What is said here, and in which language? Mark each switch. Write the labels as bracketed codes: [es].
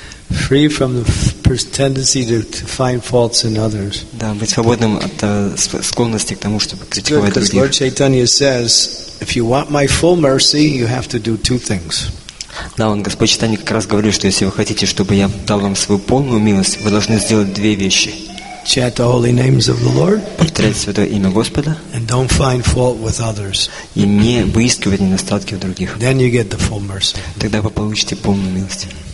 [en] Free from the tendency to find faults in others. [ru] Да, быть свободным от склонности к тому, чтобы критиковать других. [en] Because Lord Chaitanya says, if you want my full mercy, you have to do two things. [ru] Да, он Господь Чайтанья как раз говорил, что если вы хотите, чтобы я дал вам свою полную милость, вы должны сделать две вещи. [en] Chant the holy names of the Lord. [ru] Повторять святое имя Господа. [en] And don't find fault with others. [ru] И не выискивать недостатки в других. [en] Then you get the full mercy. [ru] Тогда вы получите полную милость.